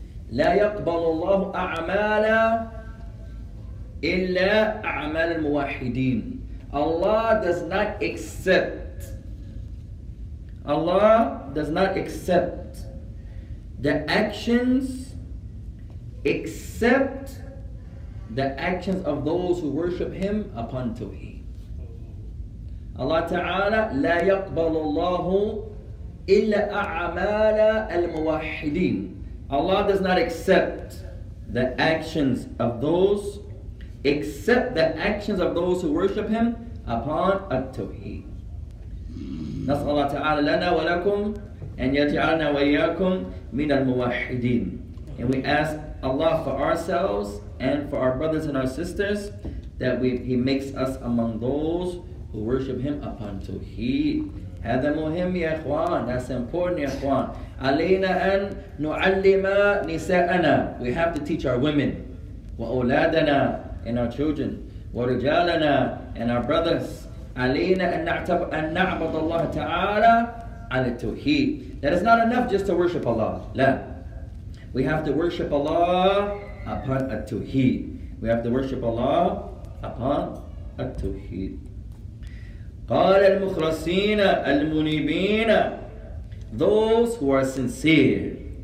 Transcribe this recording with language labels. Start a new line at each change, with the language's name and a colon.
Arabic: لَا يَقْبَلُ اللَّهُ أَعْمَالَ إِلَّا أَعْمَالَ مُوَحِدِينَ
English: Allah does not accept. Allah does not accept the actions except the actions of those who worship Him upon Tawheed.
Arabic: Allah Ta'ala, لا يقبل الله إلا أعمال الموحدين.
English: Allah does not accept the actions of those except the actions of those who worship Him upon Tawheed.
Arabic: نسأل الله تعالى لنا ولكم أن يجعلنا وإياكم من الموحدين.
English: And we ask Allah for ourselves and for our brothers and our sisters that He makes us among those who worship Him upon Tawheed.
Arabic: هذا مهم يا إخوان.
English: That's important
Arabic: يا إخوان. علينا أن نعلم نساءنا.
English: We have to teach our women.
Arabic: وأولادنا
English: and our children.
Arabic: ورجالنا
English: and our brothers.
Arabic: علينا أن نعبد الله تعالى على التوحيد.
English: That is not enough just to worship Allah. لا. We have to worship Allah upon a tawheed. We have to worship Allah upon a tawheed.
Arabic: قال المخلصين المنيبين
English: Those who are sincere.